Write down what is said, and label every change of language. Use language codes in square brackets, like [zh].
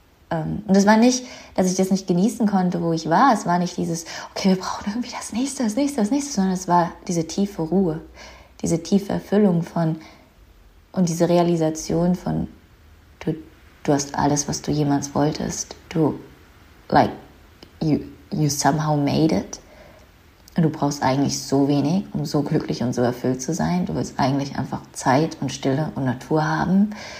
[de] Und es war nicht, dass ich das nicht genießen konnte, wo ich war. Es war nicht dieses, okay, wir brauchen irgendwie das Nächste, sondern es war diese tiefe Ruhe, diese tiefe Erfüllung von, und diese Realisation von, du hast alles, was du jemals wolltest. [en] Du, like, you somehow made it. [de] Und du brauchst eigentlich so wenig, um so glücklich und so erfüllt zu sein. Du willst eigentlich einfach Zeit und Stille und Natur haben.